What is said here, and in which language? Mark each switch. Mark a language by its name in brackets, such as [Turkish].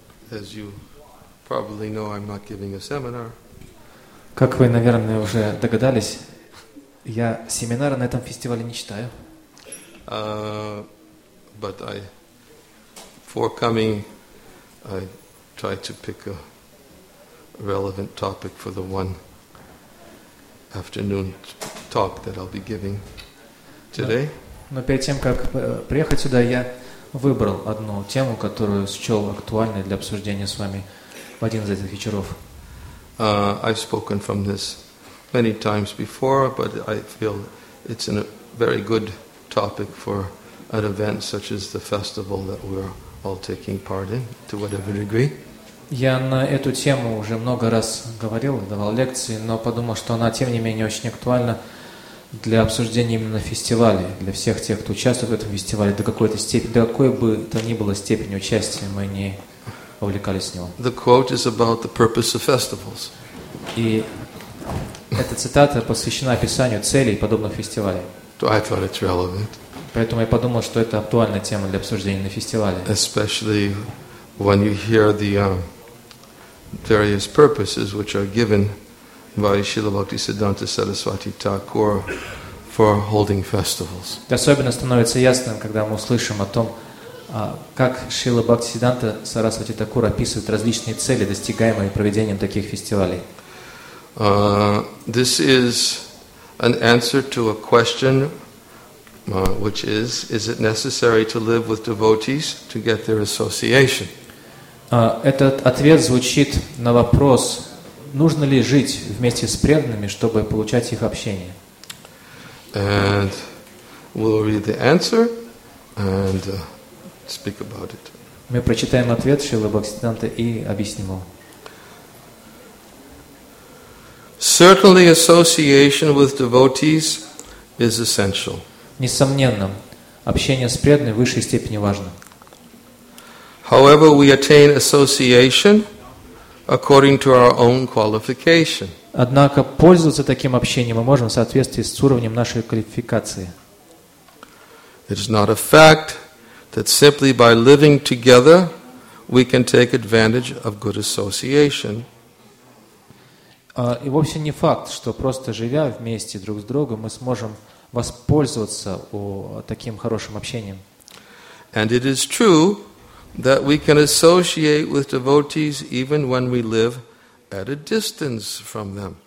[English] As you probably know, I'm not giving a seminar. [Russian] Как вы, наверное, уже догадались, я семинара на этом фестивале не читаю. [English] But I, for coming, I try to pick a relevant topic for the one afternoon talk that I'll be giving today. [Russian] Но перед тем, как приехать сюда, я выбрал одну тему, которую счел актуальной для обсуждения с вами в один из этих вечеров. [English] I've spoken from this many times before, but I feel it's a very good topic for an event such as the festival that we're all taking part in, to whatever degree. [Russian] Я на эту тему уже много раз говорил, давал лекции, но подумал, что она, тем не менее, очень актуальна для обсуждения именно фестиваля, для всех тех, кто участвует в этом фестивале, до какой-то степени, до какой бы то ни было степени участия, мы не увлекались в него. [English] The quote is about the purpose of festivals. [Russian] И эта цитата посвящена описанию целей подобных фестивалей. [English] I thought it's relevant. [Russian] Поэтому я подумал, что это актуальная тема для обсуждения на фестивале. [English] Especially when you hear the various purposes which are given by Srila Bhaktisiddhanta Saraswati Thakur for holding festivals. [Russian] Особенно становится ясным, когда мы услышим о том, как Шрила Бхактисиддханта Сарасвати Такур описывает различные цели, достигаемые проведением таких фестивалей. [English] This is an answer to a question, which is it necessary to live with devotees to get their association? [Russian] Этот ответ звучит на вопрос: нужно ли жить вместе с преданными, чтобы получать их общение? [English] And we'll read the answer and speak about it. [Russian] Мы прочитаем ответ Шрилы Бхактисиддханты и объясним его. [English] Certainly, association with devotees is essential. [Russian] Несомненно, общение с преданными в высшей степени важно. [English] However, we attain association according to our own qualification. [Russian] Однако пользоваться таким общением мы можем в соответствии с уровнем нашей квалификации. [English] It is not a fact that simply by living together we can take advantage of good association. [Russian] И вовсе не факт, что просто живя вместе друг с другом мы сможем воспользоваться таким хорошим общением. [English] And it is true that we can associate with devotees even when we live at a distance from them.